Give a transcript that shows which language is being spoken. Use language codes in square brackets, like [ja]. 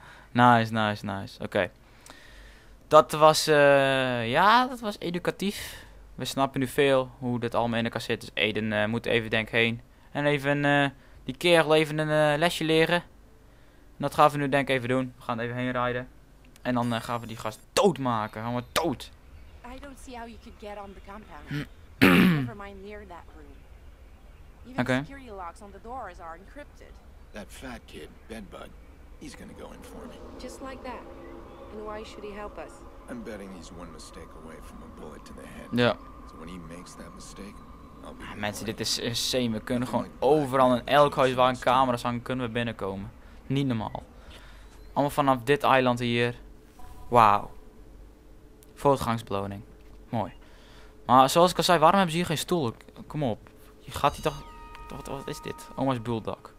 [nl] Nice, nice, nice. Oké. Okay. Dat was, ja, dat was educatief. We snappen nu veel hoe dit allemaal in elkaar zit. Dus Aiden moet even denk heen. En even die kerel even een lesje leren. En dat gaan we nu denk even doen. We gaan even heen rijden. En dan gaan we die gast doodmaken. Gaan we dood. [en] I don't see how you could get on the compound. Never mind near that room. [nl] Even okay. [en] Security locks on the doors are encrypted. That fat kid, Bedbug, he's gonna go in for me. Just like that. And why should he help us? I'm betting he's one mistake away from a bullet to the head. Yeah. So when he makes that mistake, I'll be. [nl] Mensen, dit is insane. We kunnen gewoon overal in elk huis waar een camera's hangen, kunnen we binnenkomen. Niet normaal. Allemaal vanaf dit eiland hier. Wauw. Voortgangsbeloning. Mooi. Maar zoals ik al zei, waarom hebben ze hier geen stoel? Kom op. Je gaat hier toch... Wat is dit? Oma's bulldog.